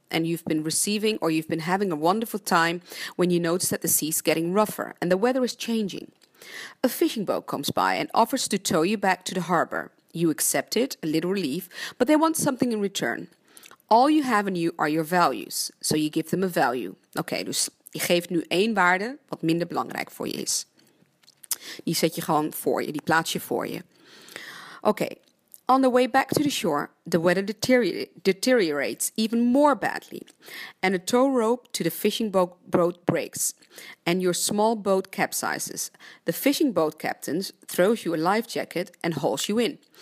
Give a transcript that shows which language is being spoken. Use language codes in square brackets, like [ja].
[en] And you've been having a wonderful time when you notice that the sea's getting rougher and the weather is changing. A fishing boat comes by and offers to tow you back to the harbor. You accept it, a little relief, but they want something in return. All you have in you are your values, so you give them a value. [nl] Oké, dus je geeft nu 1 waarde wat minder belangrijk voor je is. Die zet je gewoon voor je, die plaats je voor je. [en] Oké, on the way back to the shore, the weather deteriorates even more badly. And a tow rope to the fishing boat breaks. And your small boat capsizes. The fishing boat captain throws you a life jacket and hauls you in.